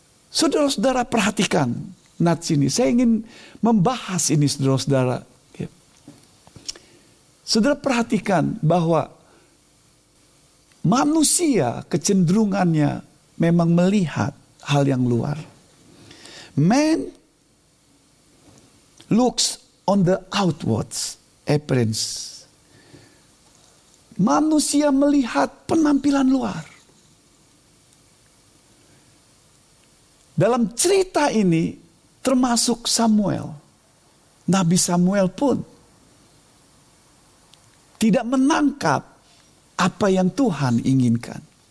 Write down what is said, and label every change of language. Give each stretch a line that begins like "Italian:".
Indonesian: Saudara-saudara perhatikan nats ini. Saya ingin membahas ini, saudara-saudara. Saudara perhatikan bahwa manusia kecenderungannya memang melihat hal yang luar.
English: Man looks on the outwards. Appearance.
Indonesian: Manusia melihat penampilan luar. Dalam cerita ini termasuk Samuel. Nabi Samuel pun tidak menangkap apa yang Tuhan inginkan.